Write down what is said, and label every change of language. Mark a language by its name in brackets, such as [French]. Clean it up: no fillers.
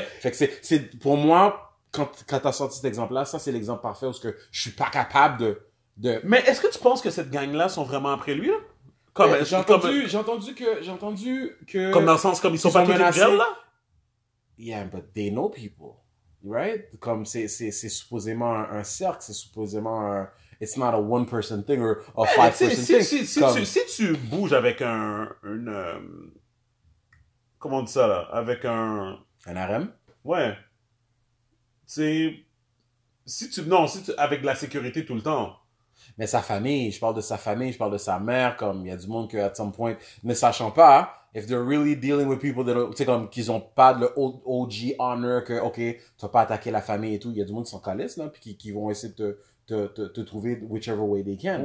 [French] Fait que c'est pour moi, quand t'as sorti cet exemple-là, ça c'est l'exemple parfait où ce que je suis pas capable de. Mais est-ce que tu penses que cette gang-là sont vraiment après lui, là? J'ai entendu que. Comme dans le sens, comme ils sont pas menacés, là? [English] Yeah, but they know people. Right? [French] Comme c'est supposément un cercle, c'est supposément un. [English] It's not a one person thing or a five person thing. [French] Si tu bouges avec comment on dit ça là, avec un RM? Ouais. Si tu avec de la sécurité tout le temps. Mais sa famille, je parle de sa famille, je parle de sa mère, comme il y a du monde que [English] at some point [French] ne sachant pas [English] if they're really dealing with people that [French] tu sais comme qu'ils ont pas de OG honor que OK, tu vas pas attaquer la famille et tout, il y a du monde qui s'en calisse là puis qui vont essayer de te trouver [English] whichever way they can.